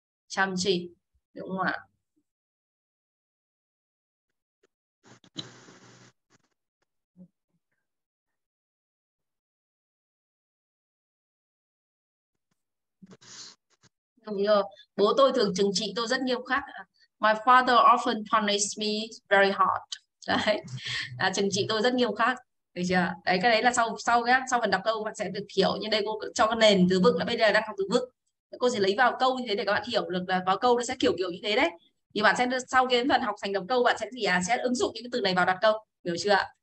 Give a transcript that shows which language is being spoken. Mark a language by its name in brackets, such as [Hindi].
[Vietnamese] Chăm chỉ, đúng không ạ? Đúng như bố tôi thường trừng trị tôi rất nghiêm khắc. [English] My father often punishes me very hard. [Vietnamese] Đấy, là trừng trị tôi rất nghiêm khắc. Được chưa? Đấy, cái đấy là sau phần đọc câu bạn sẽ được hiểu. Nhưng đây cô cho cái nền từ vựng là bây giờ đang học từ vựng. Cô sẽ lấy vào câu như thế để các bạn hiểu được là vào câu nó sẽ kiểu như thế đấy. Thì bạn sẽ sau cái phần học thành đọc câu bạn sẽ gì à? Sẽ ứng dụng những cái từ này vào đặt câu. Hiểu chưa?